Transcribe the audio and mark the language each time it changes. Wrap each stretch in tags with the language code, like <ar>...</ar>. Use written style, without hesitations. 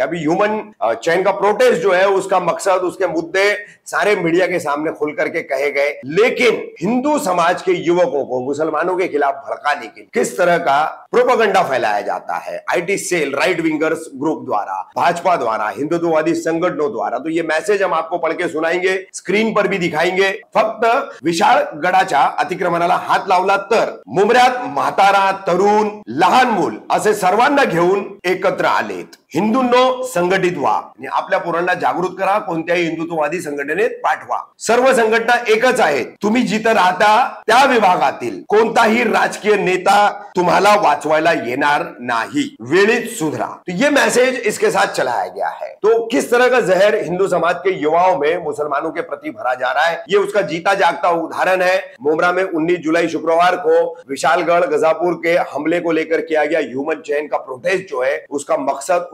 <hi>अभी human chain का protest जो है उसका मकसद, उसके मुद्दे सारे मीडिया के सामने खुल करके कहे गए, लेकिन हिंदू समाज के युवकों को मुसलमानों के खिलाफ भड़काने के लिए किस तरह का प्रोपेगेंडा फैलाया जाता है IT cell, right wingers group द्वारा, भाजपा द्वारा, हिंदुत्ववादी संगठनों द्वारा, तो ये मैसेज हम आपको पढ़ के सुनाएंगे, स्क्रीन पर भी दिखाएंगे।</hi> <mr>फक्त विशाळगडाचा अतिक्रमणाला हात लावला तर मुमऱ्यात म्हातारा, तरुण, लहान मूल असे सर्वांना घेऊन एकत्र आलेत, हिंदूंनो संघटित व्हा, आपल्या पोरांना जागृत करा, कोणत्याही हिंदुत्ववादी संघटनेत पाठवा, सर्व संघटना एकच आहेत, तुम्ही जिथं राहता त्या विभागातील कोणताही राजकीय नेता तुम्हाला वाचवायला येणार नाही, वेळीच सुधरा।</mr> <hi>तो ये मैसेज इसके साथ चलाया गया है। तो किस तरह का जहर हिंदू समाज के युवाओं में मुसलमानों के प्रति भरा जा रहा है, ये उसका जीता जागता उदाहरण है। मुमरा में 19 जुलाई शुक्रवार को विशालगढ़ गजापुर के हमले को लेकर किया गया ह्यूमन चेन का प्रोटेस्ट जो है उसका मकसद,</hi>